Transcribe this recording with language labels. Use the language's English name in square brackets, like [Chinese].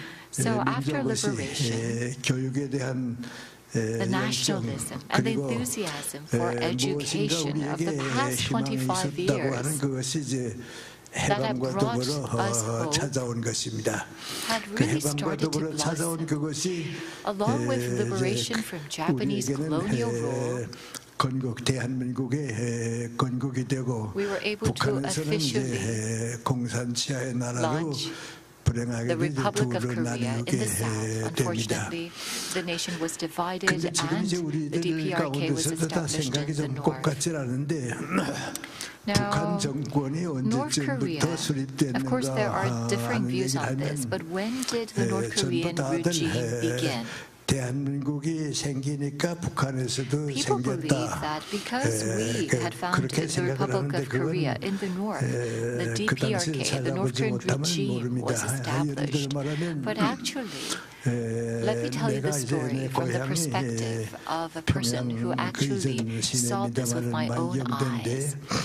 [English] So after liberation, the nationalism and the enthusiasm for education of the past 25 years that had brought us hope had really started to blossom. Along with liberation from Japanese colonial rule, [Korean] 건국 대한민국의 건국이 되고 북한에서는 이제 공산치하의 나라로 [English] the Republic of Korea in the South, unfortunately, the nation was divided and the DPRK was established in the North. Now, North Korea, of course, there are differing views on this, but when did the North Korean regime begin? [Korean] 대한민국이 생기니까 북한에서도 [English] people [Korean] 생겼다. [English] People believe that because we had founded the Republic of Korea in the North, the DPRK, the North Korean regime, was established. [Korean] 말하면, [English] but actually, let me tell you the story from the perspective of a person who actually saw this with my own eyes.